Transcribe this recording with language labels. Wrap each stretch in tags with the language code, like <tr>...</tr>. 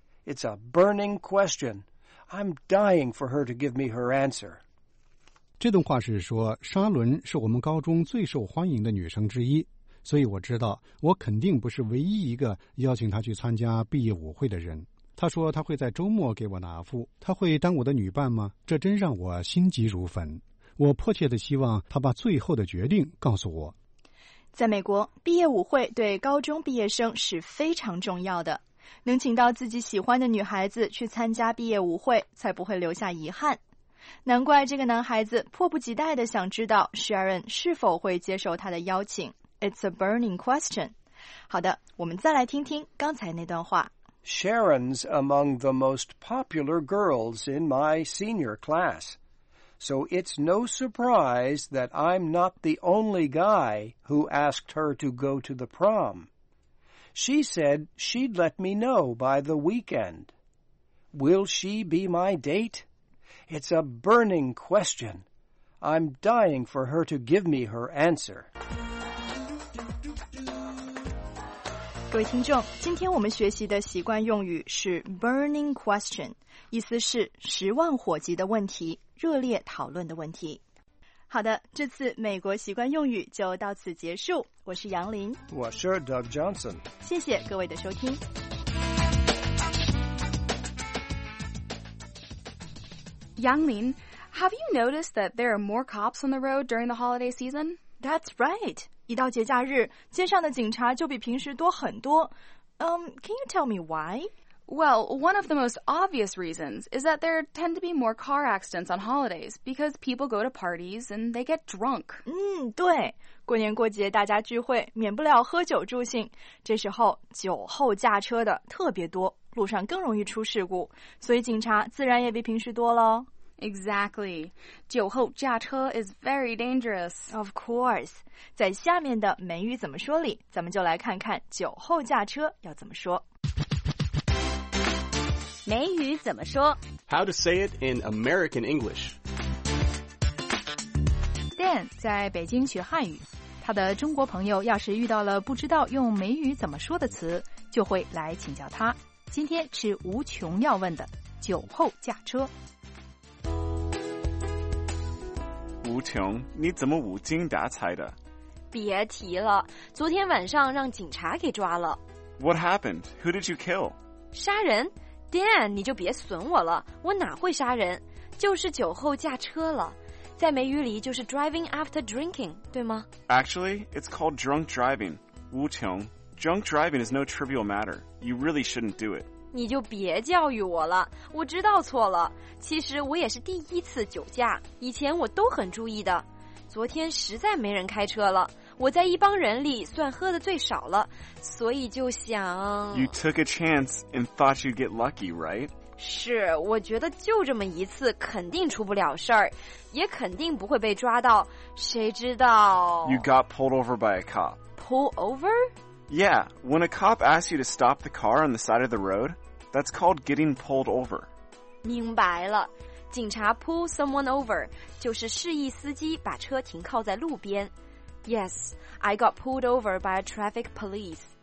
<en>It's a burning question. I'm dying for her to give me her answer.</en> <zh>这段话是说，沙伦是我们高中最受欢迎的女生之一，所以我知道我肯定不是唯一一个邀请她去参加毕业舞会的人。她说她会在周末给我答复，她会当我的女伴吗？这真让我心急如焚。我迫切地希望她把最后的决定告诉我。在美国，毕业舞会对高中毕业生是非常重要的。能请到自己喜欢的女孩子去参加毕业舞会，才不会留下遗憾。难怪这个男孩子迫不及待地想知道 Sharon 是否会接受他的邀请。</zh> <en>It's a burning question.</en> <zh>好的，我们再来听听刚才那段话。</zh> <en>Sharon's among the most popular girls in my senior class. So it's no surprise that I'm not the only guy who asked her to go to the prom. She said she'd let me know by the weekend. Will she be my date? It's a burning question. I'm dying for her to give me her answer.</en> <zh>各位听众，今天我们学习的习惯用语是 burning question， 意思是十万火急的问题，热烈讨论的问题。好的，这次美国习惯用语就到此结束。我是杨林，我是 Doug Johnson。谢谢各位的收听。</zh> <en>杨林 ，Have you noticed that there are more cops on the road during the holiday season? That's right.</en> <zh>一到节假日，街上的警察就比平时多很多。</zh> <en>Can you tell me why? Well, one of the most obvious reasons is that there tend to be more car accidents on holidays because people go to parties and they get drunk.</en> <zh>对。过年过节大家聚会免不了喝酒助兴，这时候酒后驾车的特别多，路上更容易出事故，所以警察自然也比平时多了。</zh> <en>Exactly. 酒后驾车 is very dangerous. Of course.</en> <zh>在下面的美语怎么说里，咱们就来看看酒后驾车要怎么说。美语怎么说？</zh> <en>How to say it in American English.</en> <zh>Dan 在北京学汉语，他的中国朋友要是遇到了不知道用美语怎么说的词，就会来请教他。今天是无穷要问的酒后驾车。无穷，你怎么无精打采的？别提了，昨天晚上让警察给抓了。</zh> <en>What happened? Who did you kill?</en> <zh>杀人。 Dan, 你就别损我了，我哪会杀人，就是酒后驾车了。在美语里就是</zh> <en>driving after drinking,</en> <zh>对吗？</zh> <en>Actually, it's called drunk driving. 无穷， drunk driving is no trivial matter. You really shouldn't do it.</en> <zh>你就别教育我了，我知道错了。其实我也是第一次酒驾，以前我都很注意的。昨天实在没人开车了，我在一帮人里算喝的最少了，所以就想</zh> <en>You took a chance and thought you'd get lucky, right?</en> <zh>是，我觉得就这么一次肯定出不了事儿，也肯定不会被抓到，谁知道</zh> <en>You got pulled over by a cop. Pull over? Yeah, when a cop asks you to stop the car on the side of the road, that's called getting pulled over.</en> <zh>明白了，警察 pull someone over 就是示意司机把车停靠在路边。</zh> <en>Yes, I got pulled over by a traffic police.</en>